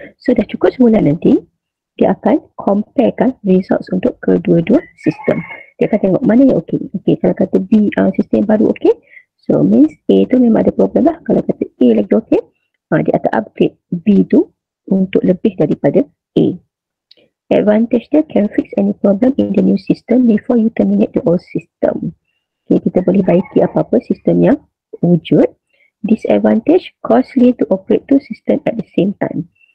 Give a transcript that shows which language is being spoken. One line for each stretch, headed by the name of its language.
Malay: So, dah cukup sebulan nanti, dia akan comparekan results untuk kedua-dua sistem. Dia akan tengok mana yang okay. Okay, kalau kata B, sistem baru okay. So, means A tu memang ada problem lah. Kalau kata A lagi okay, dia akan upgrade B tu untuk lebih daripada A.
English: Advantage
Malay: dia
English: can fix any problem in the new system before you terminate the old system.
Malay: Okay, kita boleh baiki apa-apa sistem yang wujud.
English: Disadvantage, costly to operate two system at the same time.